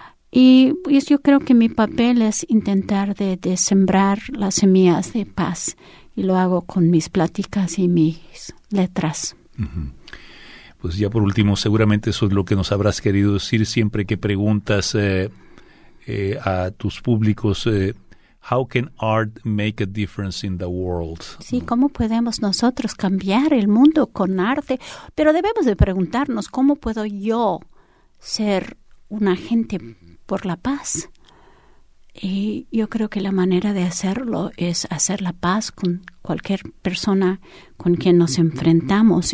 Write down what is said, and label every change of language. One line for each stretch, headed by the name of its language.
Spanish: Y pues yo creo que mi papel es intentar de sembrar las semillas de paz. Y lo hago con mis pláticas y mis letras. Pues ya por último, seguramente eso es lo que nos habrás querido decir siempre que preguntas a tus públicos.
English: How can art make a difference in the world?
Spanish: Sí, ¿cómo podemos nosotros cambiar el mundo con arte? Pero debemos de preguntarnos, ¿cómo puedo yo ser un agente por la paz. Y yo creo que la manera de hacerlo es hacer la paz con cualquier persona con quien nos enfrentamos.